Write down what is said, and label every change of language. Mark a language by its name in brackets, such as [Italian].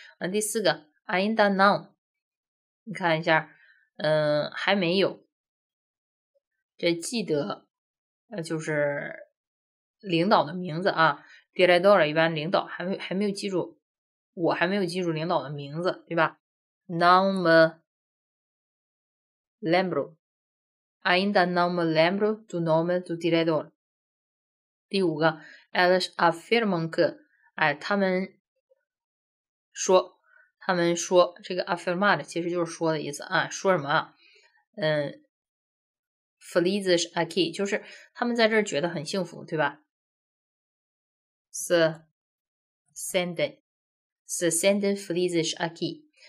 [Chinese] 第四个 [Portuguese] ainda não， [Chinese] 你看一下，还没有。这记得，就是领导的名字啊。 Diretor 一般领导还没有记住，我还没有记住领导的名字，对吧？ [Portuguese] Não me lembro. Ainda não me lembro do nome do diretor. [Chinese] 第五个 ， [Portuguese] elas afirmam que， [Chinese] 哎，他们说，这个 afirmar 其实就是说的意思啊，说什么啊？ [Portuguese] Felizes aqui， [Chinese] 就是他们在这儿觉得很幸福，对吧 ？ [Portuguese] Se sentem felizes aqui。